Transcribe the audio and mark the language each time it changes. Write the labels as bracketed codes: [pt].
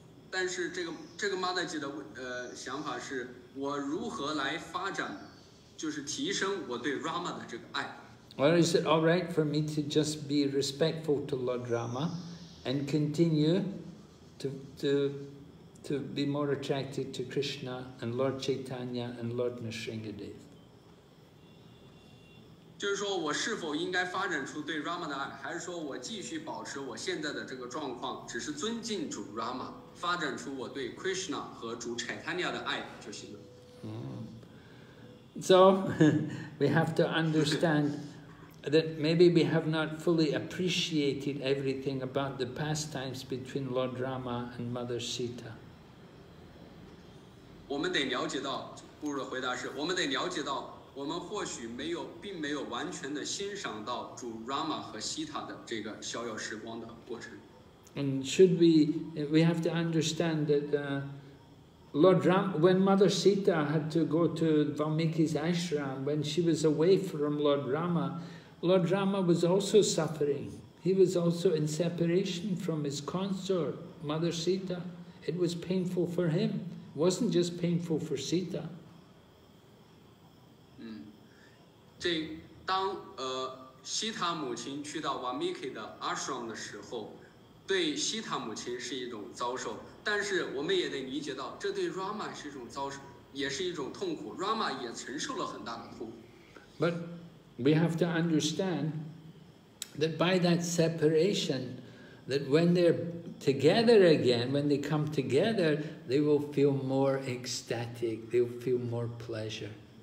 [zh] 但是这个 Mother 姐的想法是，我如何来发展，就是提升我对 Rama 的这个爱。 [en] Or is it all right for me to just be respectful to Lord Rama and continue to be more attracted to Krishna and Lord Chaitanya and Lord Nrisingadev? [zh] 就是说我是否应该发展出对 Rama 的爱，还是说我继续保持我现在的这个状况，只是尊敬主 Rama? 发展出我对 Krishna 和主 Chaitanya 的爱就行了。 [en] So we have to understand that maybe we have not fully appreciated everything about the pastimes between Lord Rama and Mother Sita. [zh] 我们得了解到，布鲁的回答是，我们得了解到，我们或许没有，并没有完全的欣赏到主 Rama 和 Sita 的这个逍遥时光的过程。 [en] And should we have to understand that Lord Ram, when Mother Sita had to go to Valmiki's ashram, when she was away from Lord Rama was also suffering. He was also in separation from his consort, Mother Sita. It was painful for him. It wasn't just painful for Sita. [zh] 当西塔母亲去到瓦米克的阿什朗的时候，对西塔母亲是一种遭受，但是我们也得理解到，这对Rama是一种遭受，也是一种痛苦。Rama也承受了很大的苦。 [en] But we have to understand that by that separation, that when they're together again, when they come together, they will feel more ecstatic, they will feel more pleasure.